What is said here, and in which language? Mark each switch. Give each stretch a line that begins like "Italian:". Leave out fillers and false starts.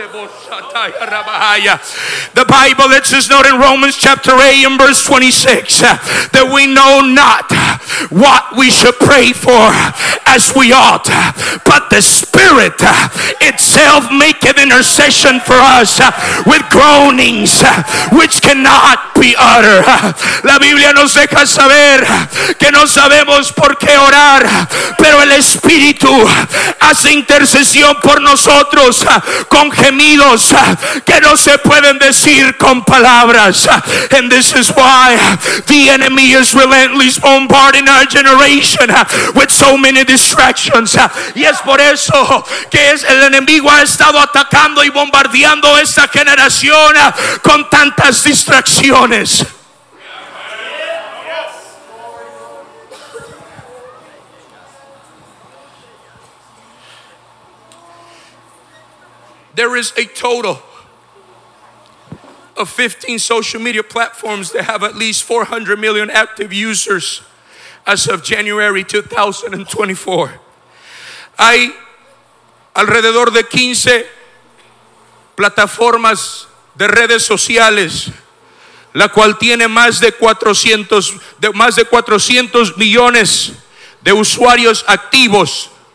English: The Bible lets us know in Romans chapter 8 and verse 26 that we know not what we should pray for as we ought, but the Spirit itself maketh intercession for us with groanings which cannot be uttered.
Spanish: La Biblia nos deja saber que no sabemos por qué orar, pero el Espíritu hace intercesión por nosotros con gemidos que no se pueden decir con palabras.
English: And this is why the enemy is relentlessly bombarding our generation with so many distractions.
Spanish: Y es por eso que el enemigo ha estado atacando y bombardeando esta generación con tantas distracciones.
English: There is a total of 15 social media platforms that have at least 400 million active users as of January 2024.
Spanish: Hay alrededor de 15 plataformas de redes sociales, la cual tiene más de 400 millones de usuarios activos.